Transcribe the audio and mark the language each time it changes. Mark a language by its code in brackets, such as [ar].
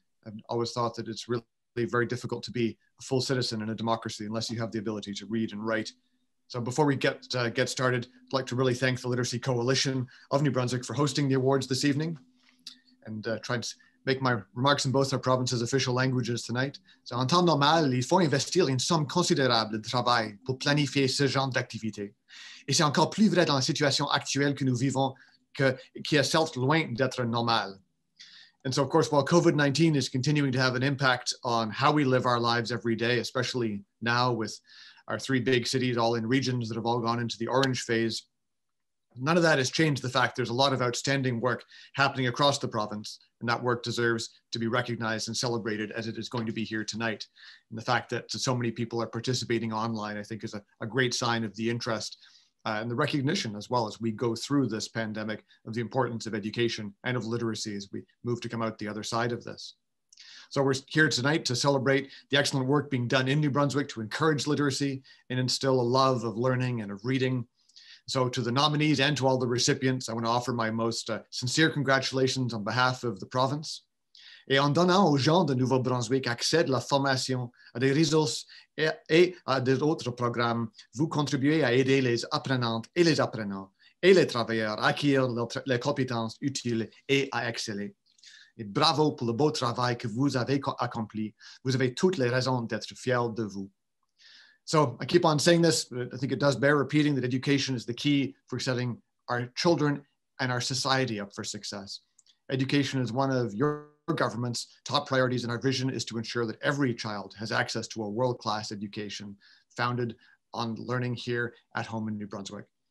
[en] I've always thought that it's really very difficult to be a full citizen in a democracy unless you have the ability to read and write. So before we get started, I'd like to really thank the Literacy Coalition of New Brunswick for hosting the awards this evening and trying to make my remarks in both our province's official languages tonight. [fr] So en temps normal, il faut investir une somme considérable de travail pour planifier ce genre d'activité. Et c'est encore plus vrai dans la situation actuelle que nous vivons, qui est certes loin d'être normal. [en] And so, of course, while COVID-19 is continuing to have an impact on how we live our lives every day, especially now with our three big cities all in regions that have all gone into the orange phase, none of that has changed the fact there's a lot of outstanding work happening across the province, and that work deserves to be recognized and celebrated as it is going to be here tonight. And the fact that so many people are participating online, I think, is a great sign of the interest and the recognition as well as we go through this pandemic of the importance of education and of literacy as we move to come out the other side of this. So we're here tonight to celebrate the excellent work being done in New Brunswick to encourage literacy and instill a love of learning and of reading. So to the nominees and to all the recipients, I want to offer my most sincere congratulations on behalf of the province. [fr] Et en donnant aux gens de Nouveau-Brunswick accès de la formation, à des ressources et à des autres programmes, vous contribuez à aider les apprenantes et les apprenants et les travailleurs à acquérir les compétences utiles et à exceller. Et bravo pour le beau travail que vous avez accompli. Vous avez toutes les raisons d'être fiers de vous. [en] So I keep on saying this, but I think it does bear repeating that education is the key for setting our children and our society up for success. Education is one of your government's top priorities, and our vision is to ensure that every child has access to a world-class education founded on learning here at home in New Brunswick.